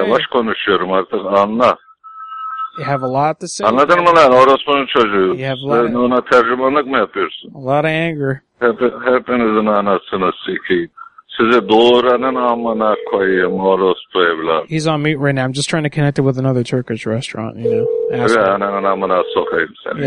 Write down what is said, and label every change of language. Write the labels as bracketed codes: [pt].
[tr] Yavaş konuşuyorum artık, anla. [en] You have a lot to say. [tr] Anladın mı lan, orospunun çocuğu? [en] You have a lot. [tr] Sen ona tercümanlık mı yapıyorsun? [en] A lot of anger. [tr] Hepinizin anasını sikeyim. Size doğuranın amına koyayım orospu evlat. [en] He's on mute right now. I'm just trying to connect it with another Turkish restaurant, you know. [tr] Evet, ananın amına sokayım seni.